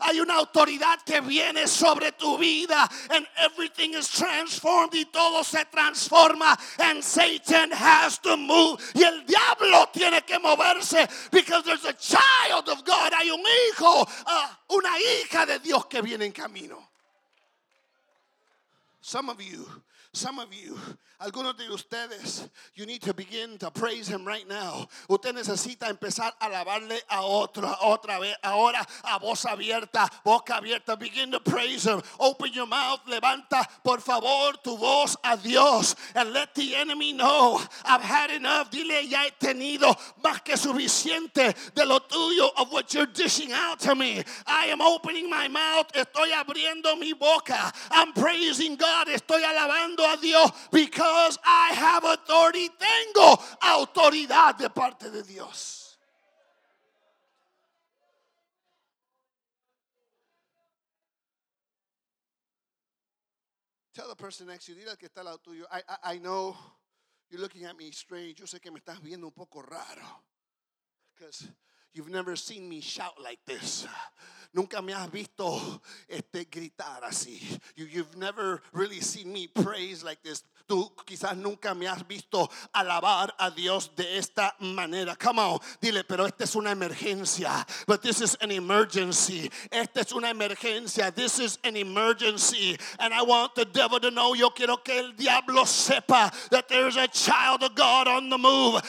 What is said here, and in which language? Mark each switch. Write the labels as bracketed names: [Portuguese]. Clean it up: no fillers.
[Spanish] Hay una autoridad que viene sobre tu vida. [English] And everything is transformed. [Spanish] Y todo se transforma. [English] And Satan has to move. [Spanish] Y el diablo tiene que moverse. [English] Because there's a child of God. [Spanish] Hay un hijo, una hija de Dios que viene en camino. [English] Some of you, [Spanish] algunos de ustedes, [English] you need to begin to praise him right now. [Spanish] Usted necesita empezar a alabarle a otro, otra vez, ahora, a boca abierta, [English] begin to praise him. Open your mouth, [Spanish] levanta, por favor, tu voz a Dios, [English] and let the enemy know, I've had enough, [Spanish] dile, ya he tenido más que suficiente de lo tuyo, [English] of what you're dishing out to me. I am opening my mouth, [Spanish] estoy abriendo mi boca, [English] I'm praising God, [Spanish] estoy alabando a Dios, [English] because I have authority. [Spanish] Tengo autoridad de parte de Dios. [English] Tell the person next to you, [Spanish] dile al que está al lado tuyo, [English] I know You're looking at me strange. [Spanish] Yo sé que me estás viendo un poco raro. [English] Because you've never seen me shout like this. [Spanish] Nunca me has visto gritar así. [English] You've never really seen me praise like this. [Spanish] Tú quizás nunca me has visto alabar a Dios de esta manera. [English] Come on, [Spanish] dile, pero esta es una emergencia. [English] But this is an emergency. [Spanish] Esta es una emergencia. [English] This is an emergency. And I want the devil to know. [Spanish] Yo quiero que el diablo sepa [English] that there's a child of God on the move.